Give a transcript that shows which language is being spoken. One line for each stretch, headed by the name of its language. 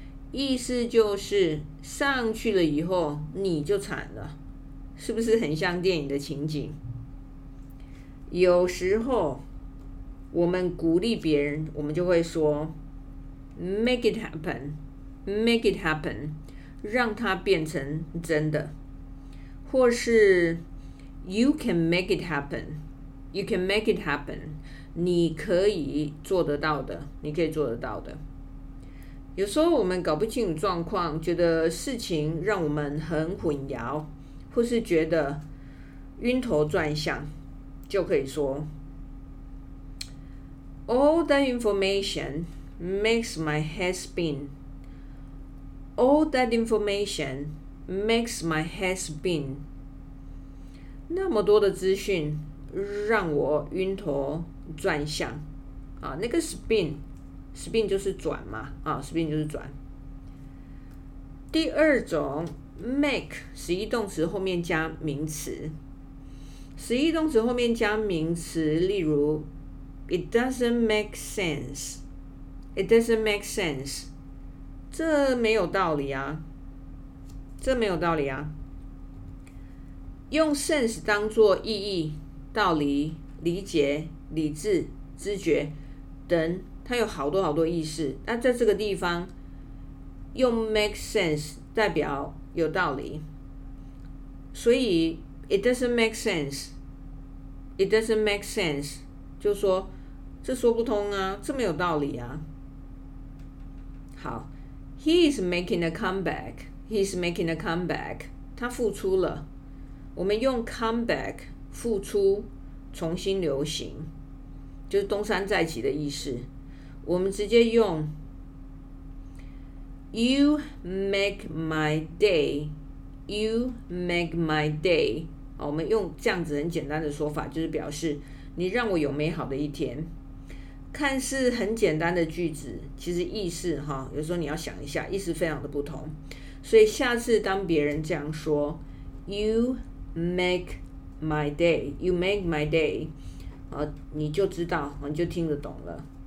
Chinese: 意思就是上去了以后你就惨了，是不是很像电影的情景？有时候我们鼓励别人，我们就会说
English: make it happen， make it happen，
Chinese: 让它变成真的。或是
English: you can make it happen，
Chinese: you can make it happen， 你可以做得到的，你可以做得到的。有时候我们搞不清楚状况，觉得事情让我们很混淆，或是觉得晕头转向，就可以说
English: All that information makes my head spin. All that information makes my head spin.
Chinese: 那么多的资讯让我晕头转向那个 spin 就是转嘛spin 就是转。第二种make 实义动词后面加名词，实义动词后面加名词，例如
English: It doesn't make sense，
Chinese: It doesn't make sense， 这没有道理啊，这没有道理啊。用 sense 当作意义、道理、理解、理智、知觉等，它有好多好多意思。那在这个地方用 make sense 代表有道理，所以
English: it doesn't make sense，
Chinese: it doesn't make sense， 就说这说不通啊，这没有道理啊。
English: 好， He is making a comeback. He is making a comeback.
Chinese: 他复出了。我们用 comeback 复出，重新流行，就是东山再起的意思。我们直接用
English: You make my day. You make my day.
Chinese: 我们用这样子很简单的说法，就是表示你让我有美好的一天。看似很简单的句子，其实意思哈，有时候你要想一下，意思非常的不同。所以下次当别人这样说 ，
English: You make my day,
Chinese: you make my day， 你就知道，你就听得懂了。